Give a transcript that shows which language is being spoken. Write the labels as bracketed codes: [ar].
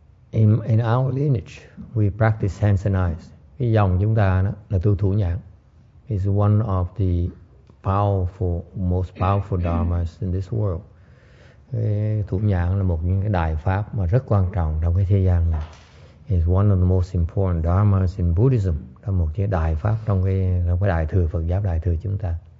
[en] In our lineage, we practice hands and eyes. [vi] Cái dòng chúng ta đó là tu thủ nhãn. [en] It's one of the most powerful dharmas in this world. [vi] Thủ nhãn là một những cái đại pháp mà rất quan trọng trong cái thế gian này. [en] It's one of the most important dharmas in Buddhism. [vi] Là một cái đại pháp trong cái đại thừa Phật giáo đại thừa chúng ta.